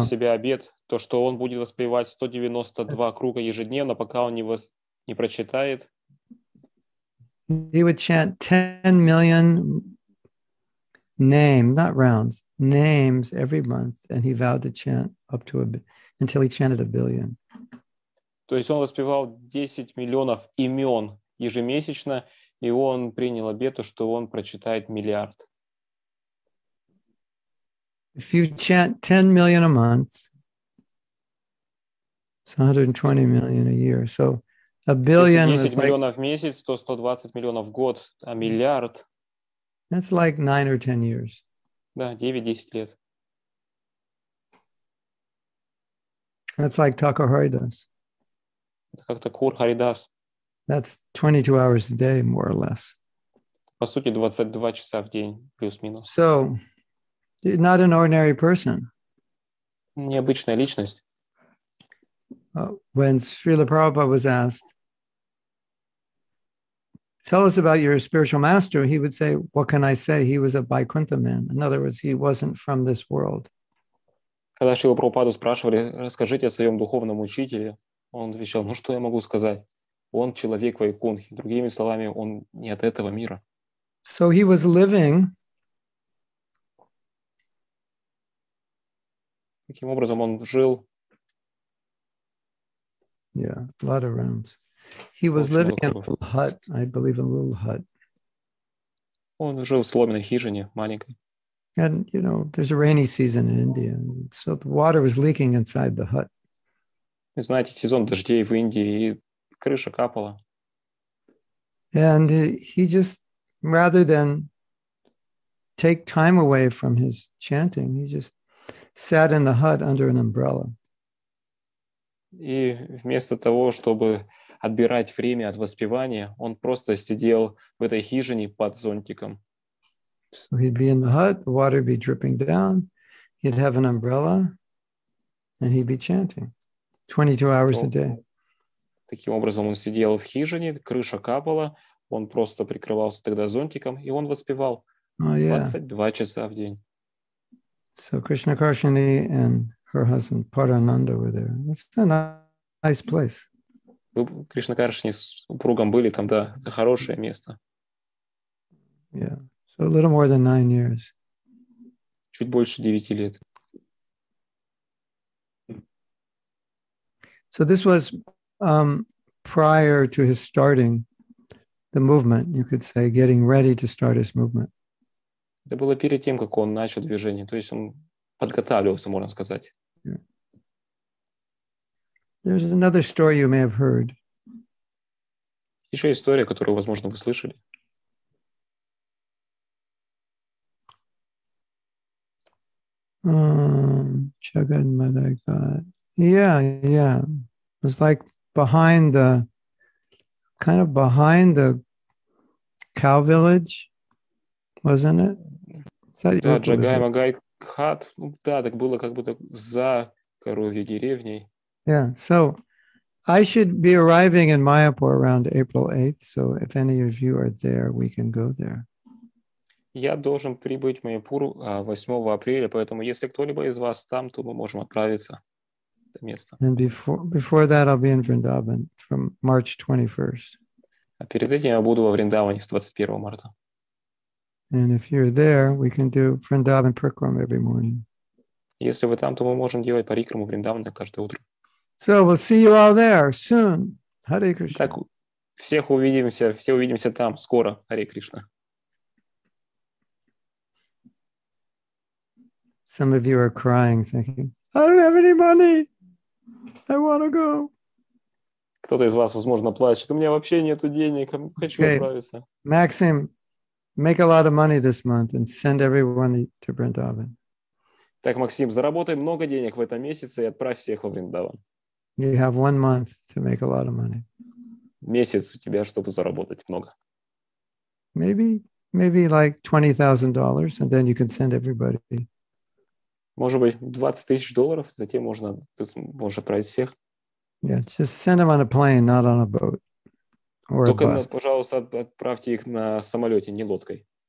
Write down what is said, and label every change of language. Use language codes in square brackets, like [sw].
[ru] Себе обет, то, что он будет воспевать 192 круга ежедневно, пока он не прочитает. [en] He would chant 10 million names, not rounds, names every month, and he vowed to chant up to until he chanted a billion. [ru] То есть он воспевал 10 миллионов имен ежемесячно, и он принял обет, что он прочитает миллиард. [en] If you chant 10 million a month, it's 120 million a year. So a billion is like... 10 [ru] миллионов в месяц, то 120 миллионов в год, а миллиард... [en] That's like 9 or 10 years. [ru] Да, 9-10 лет. [en] That's like Thakur Haridas. [ru] Это как Thakur Haridas. [en] That's 22 hours a day, more or less. [ru] По сути, 22 часа в день, плюс-минус. [en] So, not an ordinary person. [ru] Необычная личность. [en] When Srila Prabhupada was asked, tell us about your spiritual master, he would say, what can I say? He was a Vaikuntha man. In other words, he wasn't from this world. [ru] Когда Шрила Прабхупаду спрашивали, расскажите о своем духовном учителе, он отвечал, ну что я могу сказать? Он человек Вайкунхи. Другими словами, он не от этого мира. [en] So he was living. [ru] Таким образом, он жил. [en] Yeah, a lot of rounds. He was living in a little hut, I believe, a little hut. [ru] Он жил в соломенной хижине, маленькой. [en] And, you know, there's a rainy season in India, so the water was leaking inside the hut. [ru] И знаете, сезон дождей в Индии, и крыша капала. [en] And he just, rather than take time away from his chanting, he just sat in the hut under an umbrella. [ru] И вместо того, чтобы отбирать время от воспевания, он просто сидел в этой хижине под зонтиком. [en] So he'd be in the hut, the water would be dripping down, he'd have an umbrella, and he'd be chanting 22 hours a day. [ru] Таким образом, он сидел в хижине, крыша капала, он просто прикрывался тогда зонтиком, и он воспевал 22 часа в день. [en] So Krishna Karshani and her husband Parananda were there. It's a nice place. [ru] Krishna Karshani с супругом были там, да, это хорошее место. [en] Yeah, so a little more than 9 years. [ru] Чуть больше 9 лет. [en] So this was prior to his starting the movement, you could say, getting ready to start his movement. [ru] Это было перед тем, как он начал движение. То есть он подготавливался, можно сказать. [en] There's another story you may have heard. [ru] Еще история, которую, возможно, вы слышали. [en] Chagan Madaka. Yeah. It was like behind the cow village, wasn't it? [ru] Да, Джагай Магай Хат. Ну, да, так было как будто за коровьей деревней. [en] Yeah, so I should be arriving in Mayapur around April 8th, so if any of you are there, we can go there. [ru] Я должен прибыть в Майяпур 8 апреля, поэтому если кто-либо из вас там, то мы можем отправиться в это место. [en] And before that, I'll be in Vrindavan from March 21st. [ru] А перед этим я буду во Вриндаване с 21 марта. [en] And if you're there, we can do Vrindavan Parikrama every morning. [ru] Если вы там, то мы можем делать парикраму Вриндавана каждое утро. [en] So we'll see you all there soon. Hare Krishna. [ru] Так, всех увидимся, все увидимся там скоро. Hare Krishna. [en] Some of you are crying, thinking, I don't have any money. I want to go. [ru] Кто-то из вас, возможно, плачет. У меня вообще нету денег. Хочу отправиться. [en] Maxim, make a lot of money this month and send everyone to Vrindavan. [ru] Так, Максим, заработай много денег в этом месяце и отправь всех во Вриндаван. [en] You have 1 month to make a lot of money. [ru] Месяц у тебя, чтобы заработать много. [en] Maybe like $20,000 and then you can send everybody. [ru] Может быть, 20 тысяч долларов, затем можно, ты можешь отправить всех. [en] Yeah, just send them on a plane, not on a boat. Or [ru] только, [en] a bus. [ru] Пожалуйста, отправьте их на самолете, не лодкой.